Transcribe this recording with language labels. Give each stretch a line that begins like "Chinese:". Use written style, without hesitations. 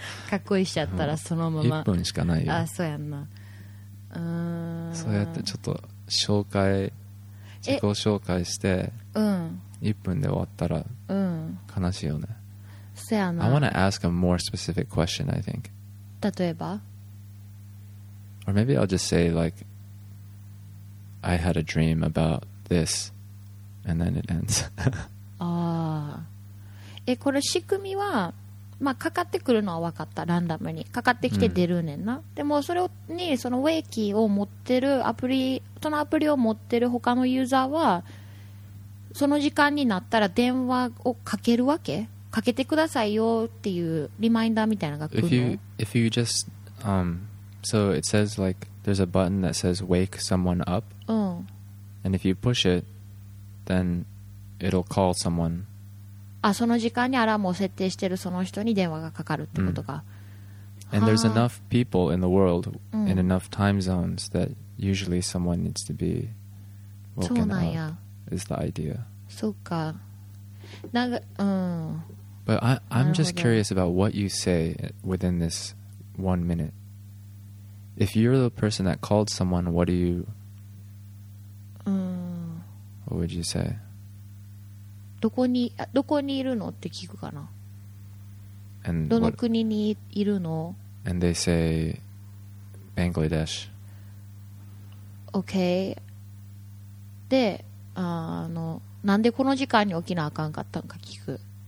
Japanese: かっこいいしちゃったらそのまま。 1分しかないよ。あ、そうやんな。そうやってちょっと紹介、自己紹介して、1分で終わったら、悲しいよね。
English: I want to ask a more specific question, I think.
Japanese: 例えば?
English: Or maybe I'll just say, like, I had a dream about this, and then it ends.
Japanese: え、これ仕組みは、まあ、かかってくるのは分かった、ランダムに。かかってきて出るねんな。でも、それに、そのウェイキーを持ってるアプリ、そのアプリを持ってる他のユーザーは、その時間になったら電話をかけるわけ? かけてくださいよっていうリマインダーみたいなのが来るの?
English: If you just, so it says like, there's a button that says wake someone up. And if you push it, then it'll call someone.
Japanese: あ、その時間にアラームを設定してるその人に電話がかかるってことか。
English: And there's enough people in the world in enough time zones that usually someone needs to be woken up.
Japanese: そうなんや。
English: Is the idea.
Japanese: そうか。なんか、うん。
English: But I'm just curious about what you say within this 1 minute. If you're the person that called someone, what do you... What would you say?
Japanese: どこにいるのって聞くかな。どの国にいるの?
English: And they say Bangladesh. Okay.
Japanese: で、なんでこの時間に起きなあかんかったのか聞く。